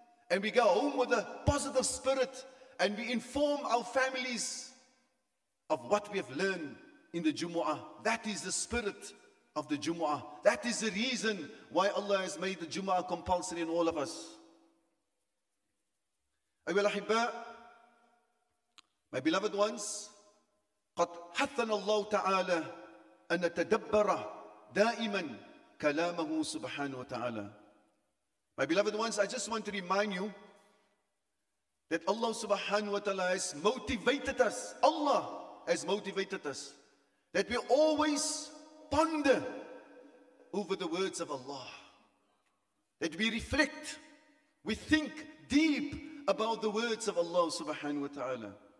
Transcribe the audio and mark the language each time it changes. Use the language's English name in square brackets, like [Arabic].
[English] And we go home with a positive spirit and we inform our families of what we have learned in the Jumu'ah. That is the spirit of the Jumu'ah. That is the reason why Allah has made the Jumu'ah compulsory in all of us. [Arabic] Ayyuhal Ahibba, [English] my beloved ones, [Arabic] قَدْ حَثَّنَ اللَّهُ تَعَالَى أَنَ تَدَبَّرَ دَائِمًا كَلَامَهُ سُبْحَانَهُ وَتَعَالَى. [English] My beloved ones, I just want to remind you that Allah subhanahu wa ta'ala has motivated us. Allah has motivated us that we always ponder over the words of Allah. That we reflect, we think deep about the words of Allah subhanahu wa ta'ala.